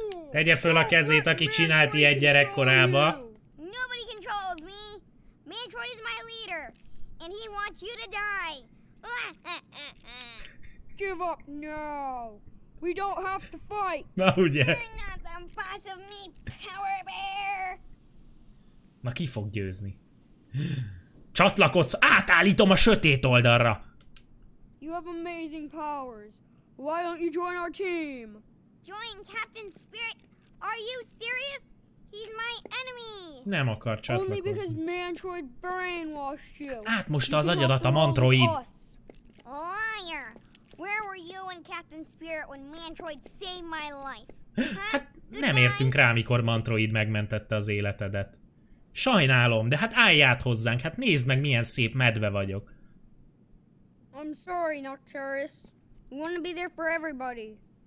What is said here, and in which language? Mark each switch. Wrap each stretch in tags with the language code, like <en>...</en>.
<hu>Tegye föl a kezét, aki csinált ilyet gyerekkorába.</hu> <en>Nobody controls me. Mantroid is my leader, and he wants you to die. Give up now. We don't have to fight.</en> <hu>Na ugye.</hu> <en>You're not the boss of me, Power Bear.</en> <hu>Na ki fog győzni? Csatlakozz, átállítom a sötét oldalra.</hu> <en>You have amazing powers. Why don't you join our team? Join Captain Spirit? Are you serious? He's my enemy.</en> <hu>Nem akar csatlakozni.</hu> <en>Only because Mantroid brainwashed you.</en> <hu>Átmosta az agyadat a Mantroid.</hu> <en>Liar. Where were you and Captain Spirit when Mantroid saved my life?</en> <hu>Hát nem értünk rá, mikor Mantroid megmentette az életedet. Sajnálom, de hát állj át hozzánk, hát nézd meg, milyen szép medve vagyok.</hu> <en>I'm sorry, Nocturus. We want to be there for everybody.</en>